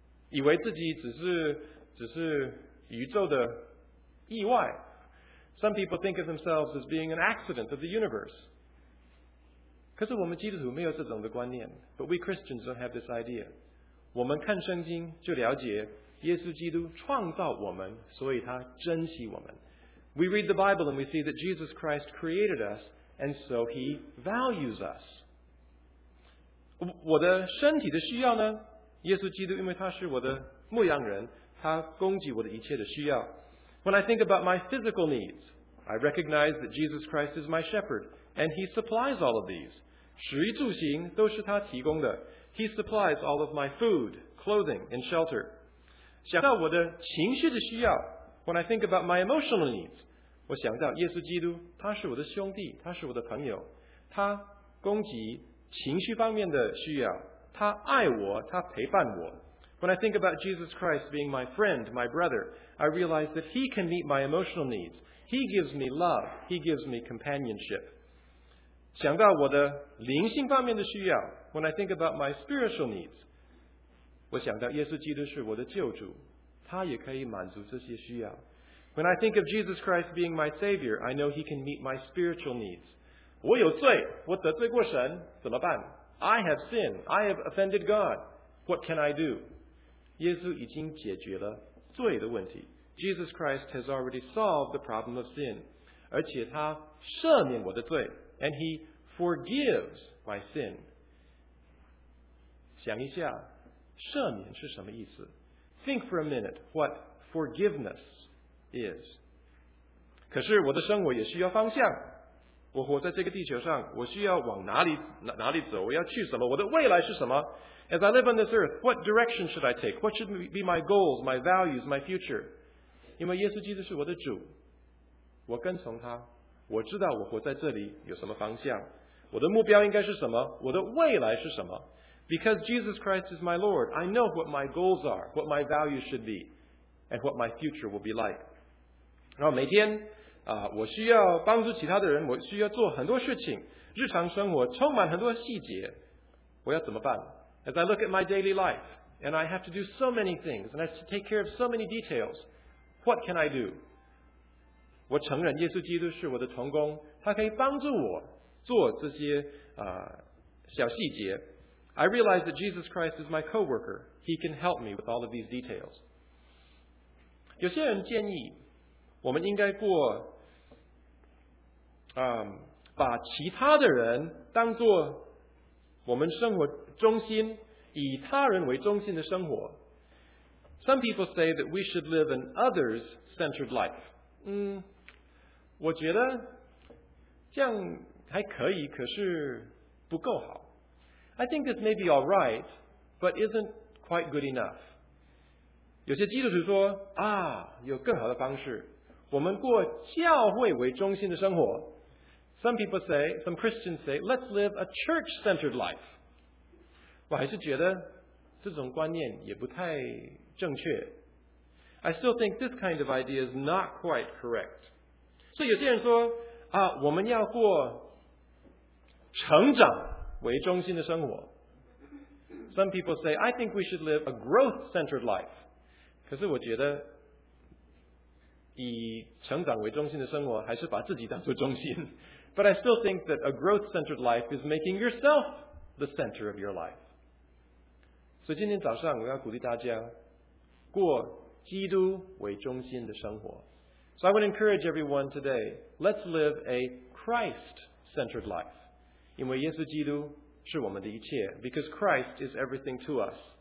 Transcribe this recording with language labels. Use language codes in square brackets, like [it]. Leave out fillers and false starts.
[zh] 以为自己只是宇宙的意外。 [en] Some people think of themselves as being an accident of the universe. [zh] 可是我们基督徒没有这种的观念。 [en] But we Christians don't have this idea. [zh] 我们看圣经就了解耶稣基督创造我们，所以他珍惜我们。 [en] We read the Bible and we see that Jesus Christ created us, and so he values us. [zh] 我的身体的需要呢？耶稣基督因为他是我的牧羊人，他供给我的一切的需要。 [en] When I think about my physical needs, I recognize that Jesus Christ is my shepherd, and he supplies all of these. [zh] 食衣住行都是他提供的。 [en] He supplies all of my food, clothing, and shelter. [zh] 想到我的情绪的需要， [en] When I think about my emotional needs, [zh] 我想到耶稣基督，他是我的兄弟，他是我的朋友，他供给情绪方面的需要。他爱我，他陪伴我。 [en] When I think about Jesus Christ being my friend, my brother, I realize that he can meet my emotional needs. He gives me love. He gives me companionship. [zh] 想到我的灵性方面的需要， [en] When I think about my spiritual needs, [zh] 我想到耶稣基督是我的救主，他也可以满足这些需要。 [en] When I think of Jesus Christ being my Savior, I know he can meet my spiritual needs. [zh] 我有罪，我得罪过神，怎么办？ [en] I have sinned. I have offended God. What can I do? [zh] 耶稣已经解决了罪的问题。 [en] Jesus Christ has already solved the problem of sin. [zh] 而且他赦免我的罪。 [en] And he forgives my sin. [zh] 想一下，赦免是什么意思？ [en] Think for a minute what forgiveness is. [zh] 可是我的生活也需要方向。我活在这个地球上，我需要往哪里走？我要去什么？我的未来是什么？ [en] As I live on this earth, what direction should I take? What should be my goals, my values, my future? [zh] 因为耶稣基督是我的主，我跟从他，我知道我活在这里有什么方向，我的目标应该是什么，我的未来是什么。 [en] Because Jesus Christ is my Lord, I know what my goals are, what my values should be, and what my future will be like. [zh] 然后每天、我需要帮助其他的人，我需要做很多事情，日常生活充满很多细节，我要怎么办？ [en] As I look at my daily life, and I have to do so many things, and I have to take care of so many details, what can I do? [zh] 我承认耶稣基督是我的同工，他可以帮助我做这些、小细节。 [en] I realize that Jesus Christ is my co-worker. He can help me with all of these details. [zh] 有些人建议我们应该过、把其他的人当作我们生活中心，以他人为中心的生活。 [en] Some people say that we should live an others-centered life. [zh] 我觉得这样还可以，可是不够好。 [en] I think this may be all right, but isn't quite good enough. [zh] 有些基督徒说啊，有更好的方式，我们过教会为中心的生活。 [en] Some people say, some Christians say, let's live a church-centered life. [zh] 我还是觉得这种观念也不太正确。 [en] I still think this kind of idea is not quite correct. [zh] 所以有些人说啊，我们要过成长为中心的生活。 [en] Some people say, I think we should live a growth-centered life. [zh] 可是我觉得以成长为中心的生活还是把自己当作中心。 [en] But I still think that a growth-centered life is making yourself the center of your life. [zh] 所以今天早上我要鼓励大家过基督为中心的生活。 [en] So I would encourage everyone today, let's live a Christ-centered life. [zh] 因为耶稣基督是我们的一切 [en] because Christ is everything to us.